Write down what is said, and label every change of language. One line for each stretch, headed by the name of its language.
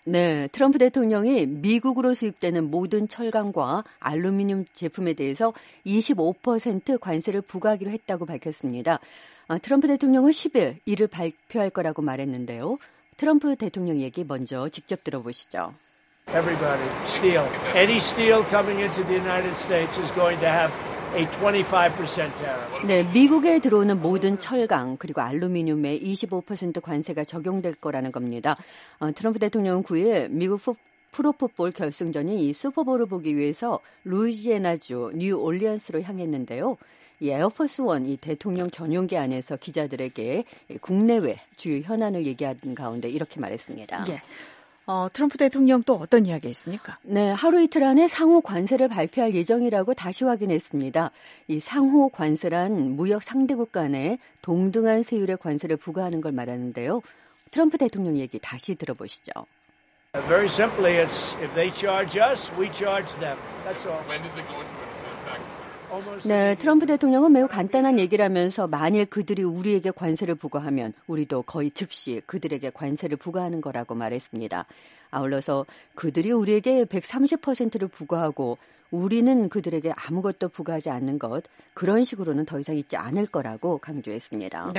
Korean: 네, 트럼프 대통령이 미국으로 수입되는 모든 철강과 알루미늄 제품에 대해서 25% 관세를 부과하기로 했다고 밝혔습니다. 트럼프 대통령은 10일 이를 발표할 거라고 말했는데요. 트럼프 대통령 얘기 먼저 직접 들어보시죠.
English: Everybody, steel. Any steel coming into the United States is going to have a 25% tariff.
Korean: 네, 미국에 들어오는 모든 철강 그리고 알루미늄에 25% 관세가 적용될 거라는 겁니다. 트럼프 대통령은 9일 미국 프로풋볼 결승전인 이 슈퍼볼을 보기 위해서 루이지애나주 뉴올리언스로 향했는데요. 이 에어포스 원, 이 대통령 전용기 안에서 기자들에게 국내외 주요 현안을 얘기한 가운데 이렇게 말했습니다. 예. 트럼프 대통령 또 어떤 이야기 했습니까? 네, 하루 이틀 안에 상호 관세를 발표할 예정이라고 다시 확인했습니다. 이 상호 관세란 무역 상대국 간에 동등한 세율의 관세를 부과하는 걸 말하는데요. 트럼프 대통령 얘기 다시 들어보시죠.
English: Very simply, it's if they charge us, we charge them. That's all. When is it going?
Korean: 네, 트럼프 대통령은 매우 간단한 얘기를 하면서 만일 그들이 우리에게 관세를 부과하면 우리도 거의 즉시 그들에게 관세를 부과하는 거라고 말했습니다. 아울러서 그들이 우리에게 130%를 부과하고 우리는 그들에게 아무것도 부과하지 않는 것, 그런 식으로는 더 이상 있지 않을 거라고 강조했습니다.